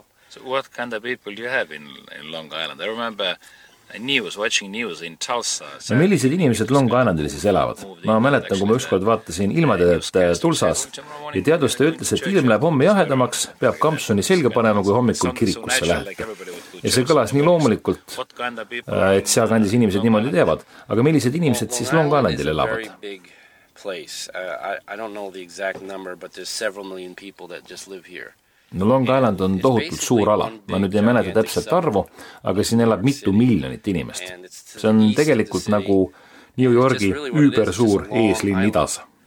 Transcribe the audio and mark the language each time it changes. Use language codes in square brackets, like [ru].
[en] So what kind of people you have in Long Island? I remember watching news in Tulsa. [et] No millised inimesed Long Islandil siis elavad? Ma mäletan, kui ma ükskord vaatasin ilmateadete Tulsas ja teadustaja ütles, et ilm läheb homme jahedamaks, peab kampsuni selga panema, kui hommikul kirikusse lähete. Ja see kõlas nii loomulikult, et seal kandis inimesed niimoodi teevad. Aga millised inimesed siis Long Islandil elavad? [en] I don't know the exact number, but there's several million people that just live here. [et] No Long Island on tohutult suur ala. Ma nüüd ei mäleta täpselt arvu, aga siin elab mitu miljonit inimest. See on tegelikult nagu New Yorki üüber suur eeslinn idas.